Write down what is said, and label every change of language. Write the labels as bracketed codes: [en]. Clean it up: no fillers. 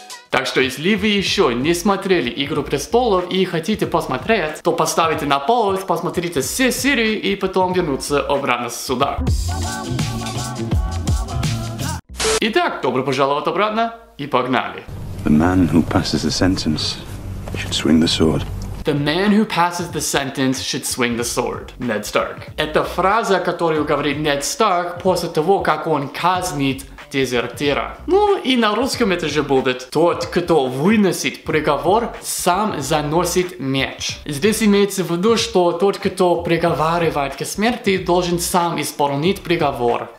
[ru] Так что, если вы еще не смотрели «Игру престолов» и хотите посмотреть, то поставите на паузу, посмотрите все серии и потом вернуться обратно сюда. Итак, добро пожаловать обратно и погнали. [en] The man who passes the sentence should swing the sword. The man who passes the sentence should swing the sword. [ru] Нед Старк. Это фраза, которую говорит Нед Старк после того, как он казнит дезертира. Ну и на русском это же будет: тот, кто выносит приговор, сам заносит меч. Здесь имеется в виду, что тот, кто приговаривает к смерти, должен сам исполнить приговор.